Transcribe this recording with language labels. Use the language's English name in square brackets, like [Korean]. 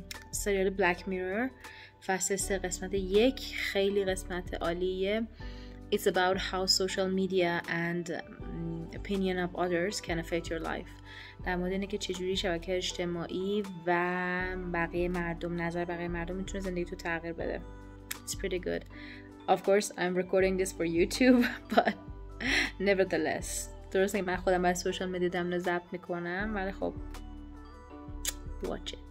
[Persian] سریال Black Mirror فصل 3 قسمت 1 خیلی قسمت عالیه. [English] It's about how social media and opinion of others can affect your life. [Persian] در مورد اینه که چجوری شبکه اجتماعی و بقیه مردم نظر بقیه مردم میتونه زندگی تو تغییر بده. [English] It's pretty good. Of course I'm recording this for YouTube but nevertheless. [Persian] درسته که من خودم برای سوشال میدیا دارم ضبط میکنم ولی خب [English] watch it.